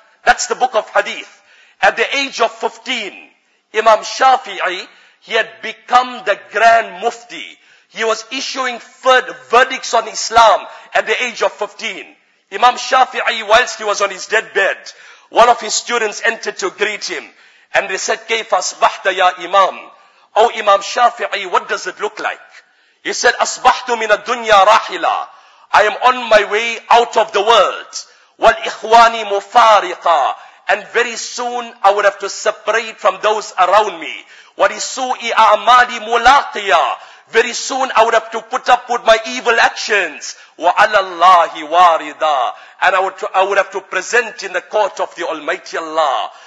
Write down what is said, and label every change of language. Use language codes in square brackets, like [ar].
[en] That's the book of Hadith. At the age of 15, Imam Shafi'i, he had become the Grand Mufti. He was issuing verdicts on Islam at the age of 15. Imam Shafi'i, whilst he was on his deathbed, one of his students entered to greet him. And they said, [ar] كيف أصبحت يا إمام? [en] Oh Imam Shafi'i, what does it look like? He said, [ar] أصبحت من الدنيا راحلا. [en] I am on my way out of the world. [ar] والإخواني مفارقا. [en] And very soon I would have to separate from those around me. [ar] ولسوءي أعمالي ملاقيا. [en] Very soon I would have to put up with my evil actions. [ar] وَعَلَى اللَّهِ وَارِدًا [en] And I would have to present in the court of the Almighty Allah.